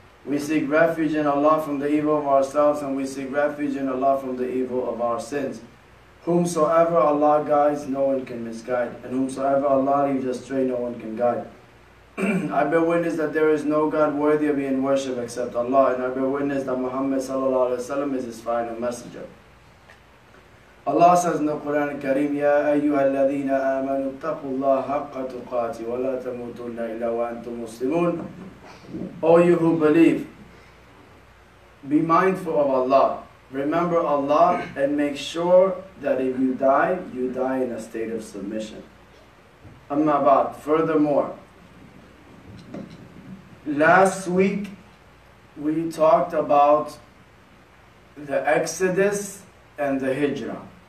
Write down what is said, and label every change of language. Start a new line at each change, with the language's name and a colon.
English: We seek refuge in Allah from the evil of ourselves, and we seek refuge in Allah from the evil of our sins. Whomsoever Allah guides, no one can misguide. And whomsoever Allah leads astray, no one can guide. I bear witness that there is no God worthy of being worshipped except Allah. And I bear witness that Muhammad sallallahu alaihi wasallam is His final messenger. Allah says in the Quran al-Kareem,
Arabic: يَا أَيُّهَا الَّذِينَ آمَنُوا اتَّقُوا اللَّهَ حَقَّ تُقَاتِ وَلَا تَمُوتُنَّ إِلَّا وَأَنْتُمْ مُسْلِمُونَ.
English: All you who believe, be mindful of Allah. Remember Allah and make sure that if you die, you die in a state of submission. أما بعد, furthermore, last week we talked about the Exodus and the Hijrah.